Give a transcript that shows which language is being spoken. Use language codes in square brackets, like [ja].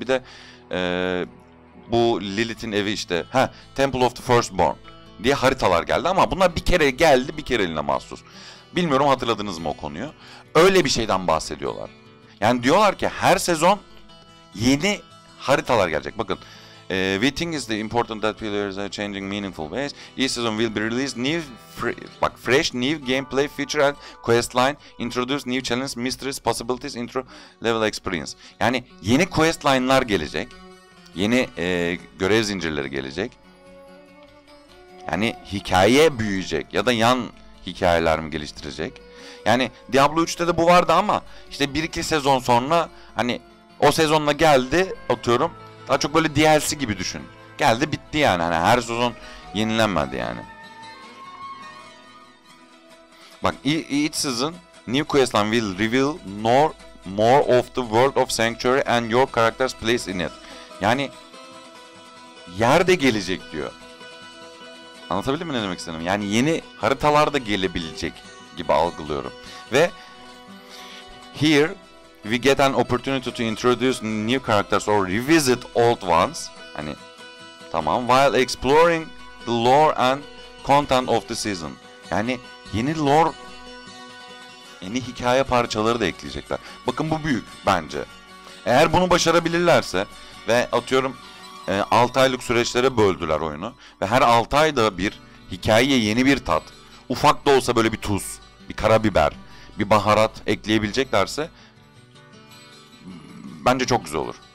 [tr] Bir de bu Lilith'in evi işte. Temple of the Firstborn diye haritalar geldi ama bunlar bir kere geldi, bir kereliğine mahsus. Bilmiyorum hatırladınız mı o konuyu? Öyle bir şeyden bahsediyorlar. Yani diyorlar ki her sezon yeni haritalar gelecek. Bakın, [en] we think it's important that players are changing meaningful ways. Each season will be released new, fresh new gameplay feature and questline, introduce new challenges, mysteries, possibilities, intro level experience. [tr] Yani yeni questline'lar gelecek. Yeni görev zincirleri gelecek. Yani hikaye büyüyecek ya da yan hikayeler mi geliştirecek? Yani Diablo 3'te de bu vardı ama işte 1-2 sezon sonra hani o sezonla geldi atıyorum. Daha çok böyle DLC gibi düşün. Geldi bitti yani hani her sezon yenilenmedi yani. Bak [en] each season new questline will reveal more of the world of Sanctuary and your character's place in it. [tr] Yani yer de gelecek diyor. Anlatabildim mi ne demek istedim? Yani yeni haritalar da gelebilecek gibi algılıyorum. Ve [en] here we get an opportunity to introduce new characters or revisit old ones. [tr] Hani tamam. [en] While exploring the lore and content of the season. [tr] Yani yeni lore, yeni hikaye parçaları da ekleyecekler. Bakın bu büyük bence. Eğer bunu başarabilirlerse ve atıyorum 6 aylık süreçlere böldüler oyunu ve her 6 ayda bir hikayeye yeni bir tat, ufak da olsa böyle bir tuz, bir karabiber, bir baharat ekleyebileceklerse bence çok güzel olur.